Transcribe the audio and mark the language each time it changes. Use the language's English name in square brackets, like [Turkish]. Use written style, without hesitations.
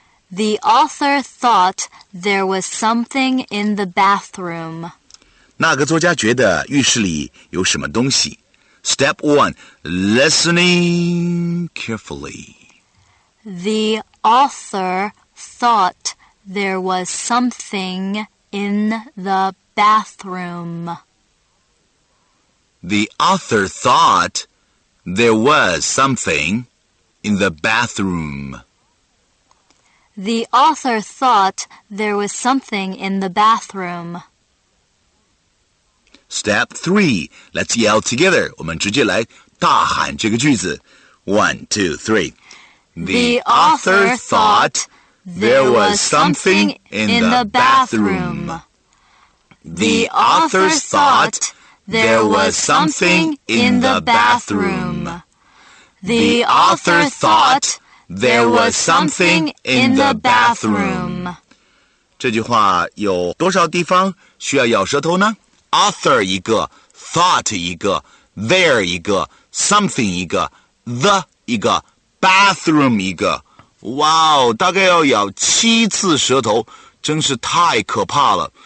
[English] The author thought there was something in the bathroom. [Chinese] 那个作家觉得浴室里有什么东西。 [English] Step 1. Listening carefully. The author thought there was something in the bathroom. The author thought there was something in the bathroom. The author thought there was something in the bathroom. Step 3. Let's yell together. [Chinese] 我们直接来大喊这个句子。 [English] 1, 2, 3. The author thought there was something in the bathroom. The author thought there was something in the bathroom. The author thought there was something in the bathroom. [Chinese] 这句话有多少地方需要咬舌头呢？ Author 一个， thought 一个， there 一个， something 一个， the 一个， bathroom 一个。哇哦，大概要咬七次舌头，真是太可怕了。